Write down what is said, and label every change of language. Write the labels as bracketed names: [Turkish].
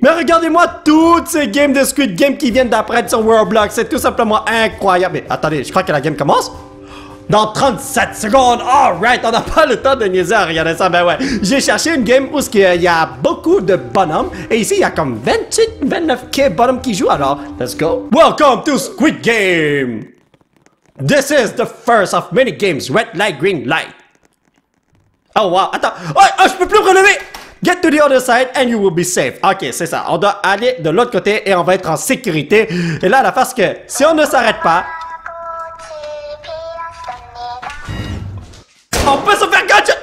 [French] Mais regardez-moi toutes ces games de Squid Game qui viennent d'apparaître sur Roblox, c'est tout simplement incroyable. Mais attendez, je crois que la game commence. Dans 37 secondes, alright, on n'a pas le temps de niaiser à regarder ça, ben ouais. J'ai cherché une game où il y a beaucoup de bonhommes, et ici il y a comme 28-29k bonhommes qui jouent, alors, let's go. [English] Welcome to Squid Game! This is the first of many games, red light, green light. Oh wow, attends, oh, je peux plus relever! Get to the other side and you will be safe. [French] Ok, c'est ça, on doit aller de l'autre côté et on va être en sécurité. Et là, la face que, si on ne s'arrête pas, on peut se faire gunshot!